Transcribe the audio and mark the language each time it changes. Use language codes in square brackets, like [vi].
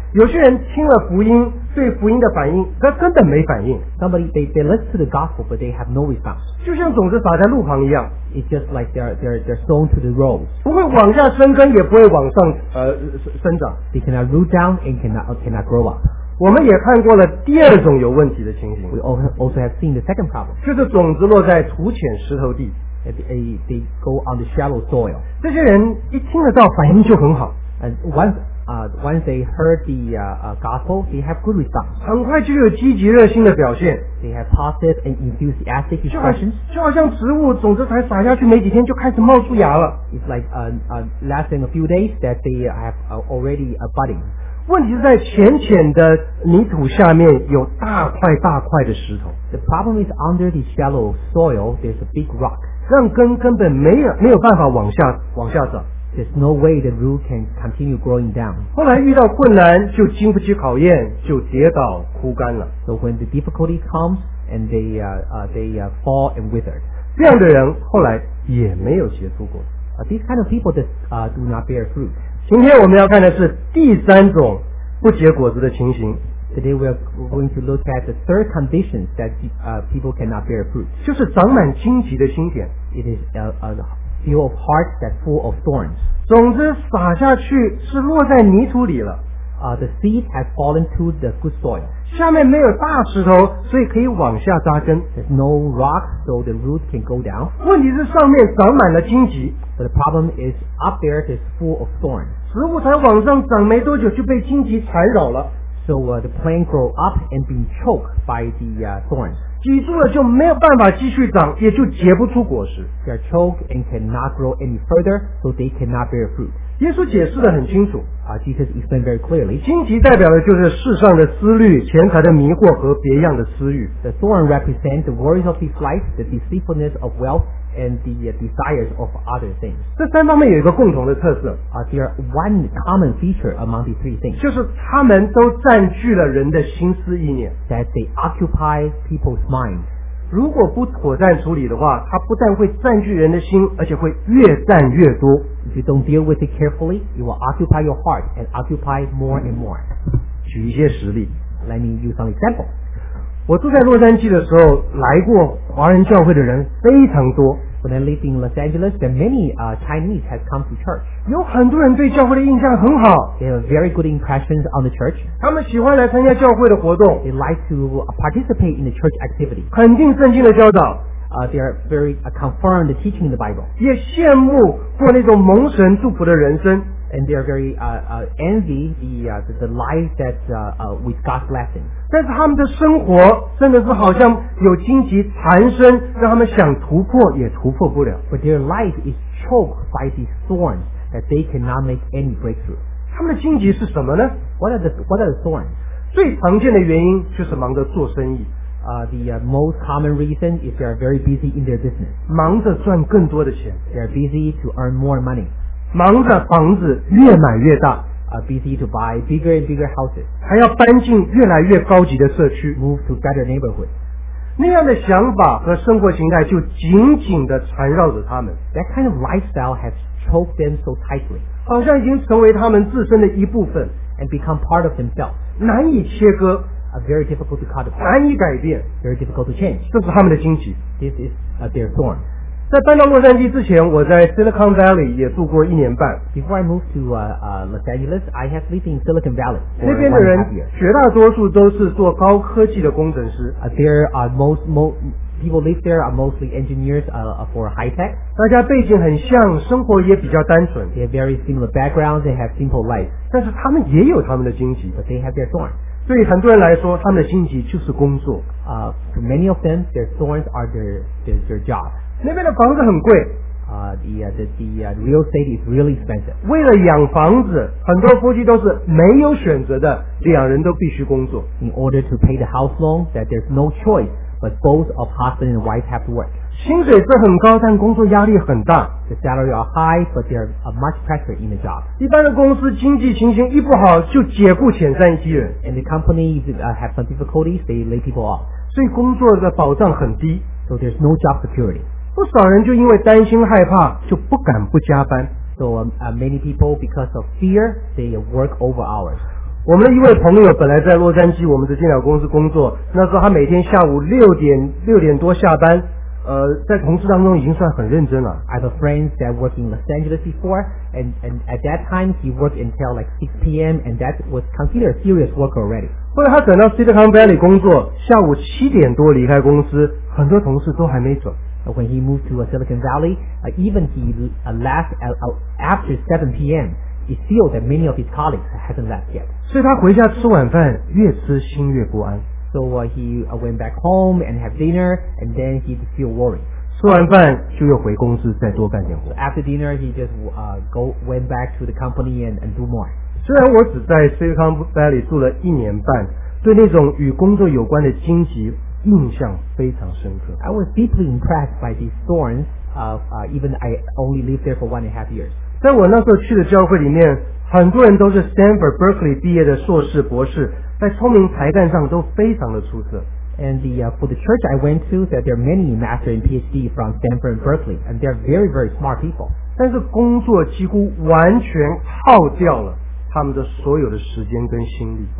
[zh] 有些人听了福音，对福音的反应，他根本没反应。 [en] Somebody they listen to the gospel, but they have no response. [zh] 就像种子撒在路旁一样。 [en] It's just like they're thrown to the road. [zh] 不会往下生根，也不会往上生长。 [en] They cannot root down and cannot grow up. [zh] 我们也看过了第二种有问题的情形。 [en] We also have seen the second problem. [zh] 就是种子落在土浅石头地。 [en] They go on the shallow soil. [zh] 这些人一听得到反应就很好。 [en] And once they heard the gospel, they have good response. [zh] 很快就有积极热心的表现。 [en] They have positive and enthusiastic expressions. [zh] 就好像植物种子才撒下去没几天就开始冒出芽了。 [en] It's like less than a few days that they have already budding. [zh] 问题是在浅浅的泥土下面有大块大块的石头。 [en] The problem is under the shallow soil, there's a big rock. [zh] 让根根本没有办法往下走。 [en] There's no way the root can continue growing down. [zh] 后来遇到困难就经不起考验，就跌倒枯干了。 [en] So when the difficulty comes and they fall and wither. [zh] 这样的人后来也没有结出果。 [en] These kind of people do not bear fruit. [zh] 今天我们要看的是第三种不结果子的情形。 [en] Today we are going to look at the third condition that people cannot bear fruit. [zh] 就是长满荆棘的心田。 [en] It is a field of hearts that full of thorns. [zh] 种子撒下去是落在泥土里了。 [en] The seed has fallen to the good soil. [zh] 下面没有大石头，所以可以往下扎根。 [en] There's no rock, so the root can go down. [zh] 问题是上面长满了荆棘。 [en] But the problem is up there it is full of thorns. [zh] 植物才往上长没多久就被荆棘缠绕了。 [en] So the plant grow up and being choked by the thorns. [zh] 挤住了就没有办法继续长，也就结不出果实。 [en] They are choked and cannot grow any further, so they cannot bear fruit. [zh] 耶稣解释得很清楚。 [en] Jesus explained very clearly. [zh] 荆棘代表的就是世上的思虑、钱财的迷惑和别样的私欲。 [en] The thorn represents the worries of this life, the deceitfulness of wealth, and the desires of other things. [zh] 这三方面有一个共同的特色。 [en] There are one common feature among the three things. [zh] 就是他们都占据了人的心思意念。 [en] That they occupy people's minds. [zh] 如果不妥善处理的话，它不但会占据人的心，而且会越占越多。 [en] If you don't deal with it carefully, it will occupy your heart and occupy more and more. [zh] 举一些实例。 [en] Let me use some examples. [zh] 我住在洛杉矶的时候，来过华人教会的人非常多。 [en] When I lived in Los Angeles, there are many Chinese have come to church. [zh] 有很多人对教会的印象很好。 [en] They have very good impressions on the church. [zh] 他们喜欢来参加教会的活动。 [en] They like to participate in the church activity. [zh] 肯定圣经的教导。 [en] They are very confirmed the teaching in the Bible. [zh] 也羡慕过那种蒙神祝福的人生。 [en] And they are very envy the life that with God's blessing. [zh] 但是他们的生活真的是好像有荆棘缠身，让他们想突破也突破不了。 [en] But their life is choked by these thorns that they cannot make any breakthrough. [zh] 他们的荆棘是什么呢？ [en] What are the thorns? [zh] 最常见的原因就是忙着做生意。 [en] The most common reason is they are very busy in their business. [zh] 忙着赚更多的钱。 [en] They are busy to earn more money. [zh] 忙着房子越买越大。 [en] Busy to buy bigger and bigger houses. [zh] 还要搬进越来越高级的社区。 [en] Move to better neighborhoods. [zh] 那样的想法和生活形态就紧紧地缠绕着他们。 [en] That kind of lifestyle has choked them so tightly. [zh] 好像已经成为他们自身的一部分。 [en] And become part of themselves. [zh] 难以切割。 [en] Very difficult to cut apart. [zh] 难以改变。 [en] Very difficult to change. [zh] 这是他们的荆棘。 [en] This is their thorn. [zh] 在搬到洛杉矶之前，我在 Silicon Valley 也住过一年半。 [en] Before I moved to Los Angeles, I have lived in Silicon Valley. [zh] 那边的人绝大多数都是做高科技的工程师。 [en] There are people live there are mostly engineers for high tech. [zh] 大家背景很像，生活也比较单纯。 [en] They have very similar backgrounds. They have simple life. [zh] 但是他们也有他们的荆棘。 [en] But they have their thorn. [zh] 对很多人来说，他们的荆棘就是工作。 [en] For many of them, their thorns are their job. [zh] 那边的房子很贵。 [en] The real estate is really expensive. [zh] 为了养房子，很多夫妻都是没有选择的，两人都必须工作。 [en] In order to pay the house loan, that there's no choice, but both of husband and wife have to work. [zh] 薪水是很高，但工作压力很大。 [en] The salary are high, but there's much pressure in the job. [zh] 一般的公司经济情形一不好，就解雇遣散一批人。 [en] And the company have some difficulties, they lay people off. [zh] 所以工作的保障很低。 [en] So there's no job security. [zh] 不少人就因为担心害怕就不敢不加班。 [en] So many people because of fear they work over hours. [zh] 我们的一位朋友本来在洛杉矶我们的电脑公司工作，那时候他每天下午六点多下班，在同事当中已经算很认真了。 [en] I have a friend that worked in Los Angeles before and at that time he worked until like 6 p.m. and that was considered a serious work already. [zh] 后来他转到 Silicon Valley 工作，下午七点多离开公司，很多同事都还没走。 [en] When he moved to Silicon Valley, even he left after 7 p.m., he feels that many of his colleagues haven't left yet. [zh] 所以他回家吃晚饭，越吃心越不安。 [en] So he went back home and had dinner, and then he feel worried. [zh] 吃完饭就又回公司再多干点活。 [en] After dinner, he just went back to the company and do more. [zh] 虽然我只在 Silicon Valley 住了一年半，对那种与工作有关的荆棘印象非常深刻。 [en] I was deeply impressed by these thorns. Even I only lived there for 1.5 years. [zh] 在我那时候去的教会里面，很多人都是 Stanford Berkeley 毕业的硕士、博士，在聪明才干上都非常的出色。 [en] And for the church I went to, that there are many master and PhD from Stanford and Berkeley, and they are very, very smart people. [zh] 但是工作几乎完全耗掉了。他们的所有的时间跟心力